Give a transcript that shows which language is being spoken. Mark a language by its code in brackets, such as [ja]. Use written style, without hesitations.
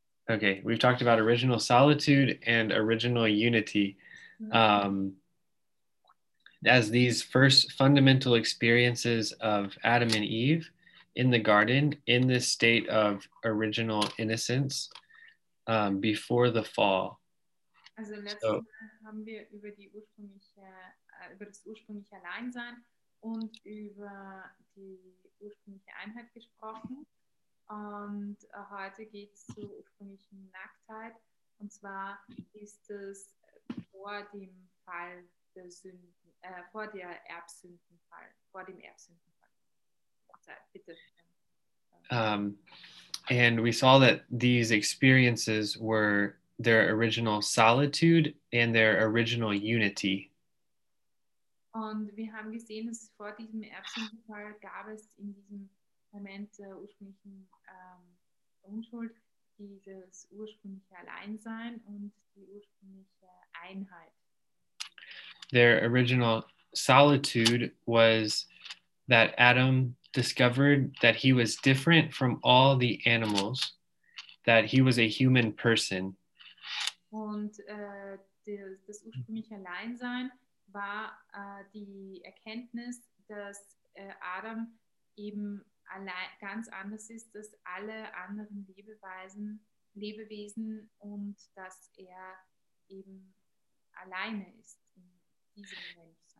[en] Okay, we've talked about original solitude and original unity as these first fundamental experiences of Adam and Eve in the garden, in this state of original innocence before the fall. [de] Also letztes Mal haben wir über die ursprüngliche, über das ursprüngliche Alleinsein und über die ursprüngliche Einheit gesprochen. Und heute geht es zur ursprünglichen Nacktheit. Und zwar ist es vor dem Fall der Sünden, vor der Erbsündenfall, vor dem Erbsündenfall. Bitte schön. [en] And we saw that these experiences were their original solitude and their original unity. [de] Und wir haben gesehen, dass vor diesem Erbsündenfall gab es in diesem Moment der ursprünglichen Unschuld dieses ursprüngliche Alleinsein und die ursprüngliche Einheit. [en] Their original solitude was that Adam discovered that he was different from all the animals, that he was a human person. [de] Und das ursprüngliche Alleinsein war die Erkenntnis, dass Adam eben allein, ganz anders ist als alle anderen Lebewesen und dass er eben alleine ist in diesem Moment.